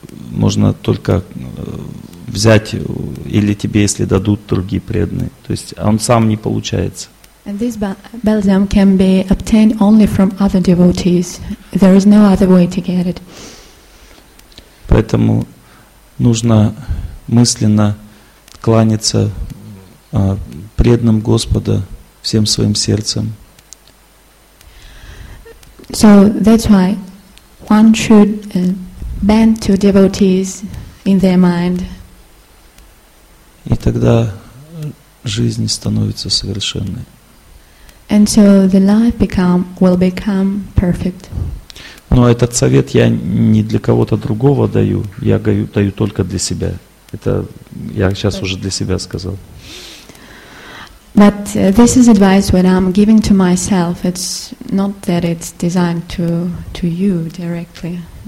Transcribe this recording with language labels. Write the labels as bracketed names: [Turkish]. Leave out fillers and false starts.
[Russian] Можно только взять, или тебе, если дадут другие преданные. То есть он сам не получается. [English] And this balsam can be obtained only from other devotees. There is no other way to get it. [Russian] Поэтому нужно мысленно кланяться преданным Господа всем своим сердцем. [English] So that's why one should bend to devotees in their mind. [Russian] И тогда жизнь становится совершенной. [English] And so the life will become perfect. [Russian] Но этот совет я не для кого-то другого даю, я даю только для себя. Это я сейчас уже для себя сказал. [English] But this is advice when I'm giving to myself. It's not that it's designed to you directly.